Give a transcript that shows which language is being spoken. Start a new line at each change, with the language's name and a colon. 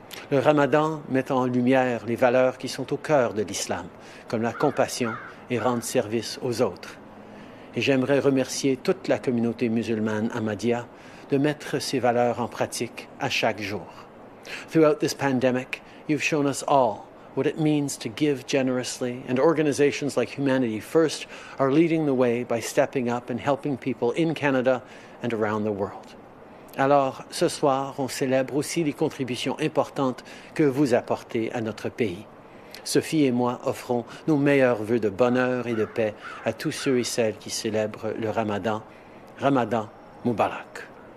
French: Le Ramadan met en lumière les valeurs qui sont au cœur de l'islam, comme la compassion et rendre service aux autres. Et j'aimerais remercier toute la communauté musulmane Ahmadiyya de mettre ces valeurs en pratique à chaque jour.
English: Throughout this pandemic, you've shown us all what it means to give generously, and organizations like Humanity First are leading the way by stepping up and helping people in Canada and around the world.
French: Alors, ce soir, on célèbre aussi les contributions importantes que vous apportez à notre pays. Sophie et moi offrons nos meilleurs vœux de bonheur et de paix à tous ceux et celles qui célèbrent le Ramadan. Ramadan Mubarak.